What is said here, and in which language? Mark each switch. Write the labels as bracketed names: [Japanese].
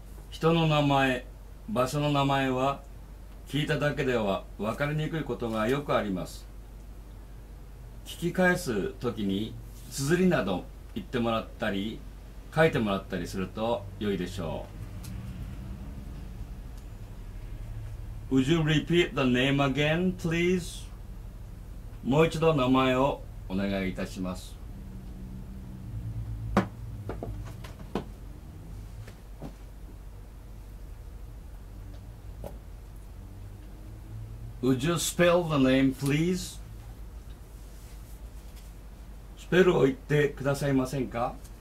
[Japanese] 人の名前、場所の名前は聞いただけでは分かりにくいことがよくあります。聞き返すときに綴りなど言ってもらったり書いてもらったりすると良いでしょう。 [English] Would you repeat the name again, please? [Japanese] もう一度名前をお願いいたします。 [English] Would you spell the name, please? [Japanese] スペルを言ってくださいませんか？